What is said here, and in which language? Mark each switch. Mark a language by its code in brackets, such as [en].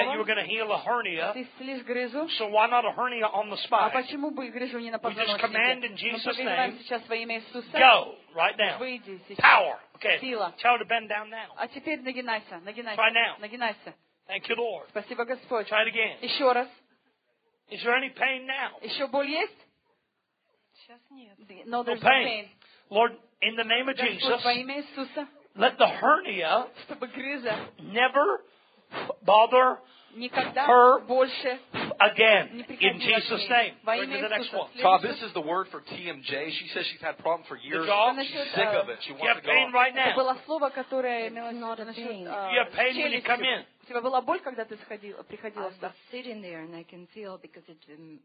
[en] That you were going to heal a hernia. [ru] Ты исцелишь грыжу. [en] So why not a hernia on the spine? [ru] А почему бы грыжу не на подмышке? [en] We just command in Jesus' name. [ru] Мы повелеваем сейчас во имя Иисуса. [en] Go right now. [ru] Выйди сейчас. [en] Power. Okay. [ru] Сила. [en] Tell her to bend down now. [ru] А теперь нагинайся, нагинайся, нагинайся. [en] Thank you, Lord. [ru] Спасибо, Господь. [en] Try it again. [ru] Еще раз. [en] Is there any pain now? [ru] Еще боль есть? Сейчас нет. [en] No, there's no pain. Lord, in the name of Jesus. [ru] Господь, во имя Иисуса. [en] Let the hernia [ru] чтобы грыза [en] never bother [ru] никогда [en] her [ru] больше [en] again in Jesus' name. Bring to the next one. Todd, this is the word for TMJ. She says she's had problems for years. She's sick of it. She wants to go. Pain right now. [ru] Это было слово, которое [en] you have pain when you come in. [ru] У тебя была боль, когда ты сходила, приходила сюда? [en] I'm sitting there and I can feel because it didn't...